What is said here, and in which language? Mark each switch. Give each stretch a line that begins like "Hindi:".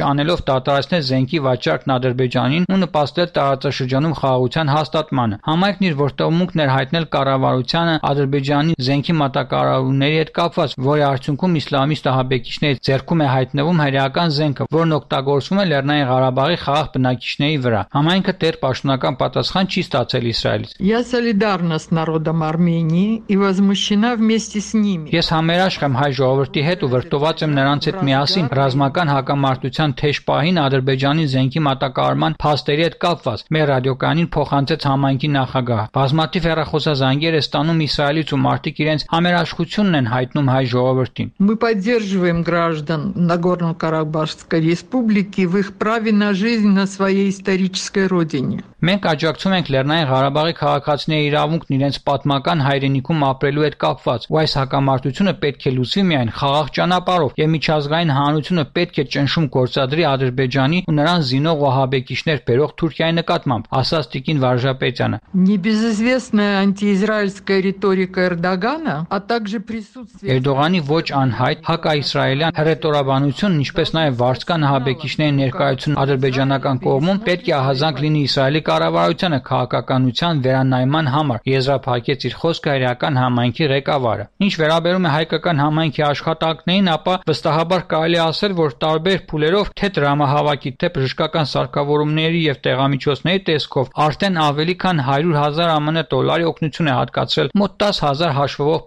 Armenian: անելով դատարացնել զենքի վաճառքն Ադրբեջանին ու նպաստել տարածաշրջանում խաղաղության հաստատմանը։ Համայնքն իր որտեղումն էր հայտնել կառավարությանը Ադրբեջանի զենքի մատակարարման ունների հետ կապված, որի արդյունքում իսլամիստ ահաբեկիչների ձեռքում է հայտնվում հրեական զենքը, որն օգտագործվում է Լեռնային Ղարաբաղի խաղաղ բնակիչների վրա։ Համայնքը դեռ պաշտոնական պատասխան չի ստացել Իսրայելից։
Russian: Я солидарна с народом Армении и возмущена вместе с ними։
Armenian: Ես համերաշխ եմ հայ ժողովրդի հետ ու վրտոված եմ նրանց հետ միասին ռազմական հակամարտության թեժ պահին Ադրբեջանի զենքի մատակարարման փաստերի հետ կապված, մեր ռադիոկայանին փոխանցեց համայնքի նախագահ։ Բազմաթիվ հեռախոսազանգեր է ստանում Իսրայելից ու մարդիկ իրենց համերաշխ ությունն են հայտնում հայ ժողովրդին։
Russian: Мы поддерживаем граждан Нагорно-Карабахской республики в их праве на жизнь на своей исторической родине։
Armenian: Մենք աջակցում ենք Լեռնային Ղարաբաղի քաղաքացիների իրավունքն իրենց պատմական հայրենիքում ապրելու հետ կապված, ու այս հակամարտությունը պետք է լուծվի միայն խաղաղ ճանապարհով, եւ միջազգային հանրությունը պետք է ճնշում գործադրի Ադրբեջանի ու նրան զինող ուհաբեկիչներ բերող Թուրքիայի նկատմամբ, ասաց Տիկին Վարժապետյանը։
Russian: Небезызвестная антиизраильская риторика Эрдогана, а также присутствие
Armenian: Էրդողանի ոչ անհայտ հակաիսրայելյան հռետորաբանությունն, ինչպես նաեւ վարչական ուհաբեկիչների ներկայությունը ադրբեջանական կողմում, պետք է ահազանգ լինի իսրայելական կառավարությունը քաղաքականության վերանայման համար, եզրափակեց իր խոսքը հայկական համայնքի ղեկավարը։ Ինչ վերաբերում է հայկական համայնքի աշխատանքներին, ապա վստահաբար կարելի ասել, որ տարբեր փուլերով, թե դրամահավաքի, թե բժշկական սարքավորումների եւ տեղամիջոցների տեսքով արդեն ավելի քան 100 000 ԱՄՆ դոլարի օգնություն է հատկացրել մոտ 10 000 հաշվով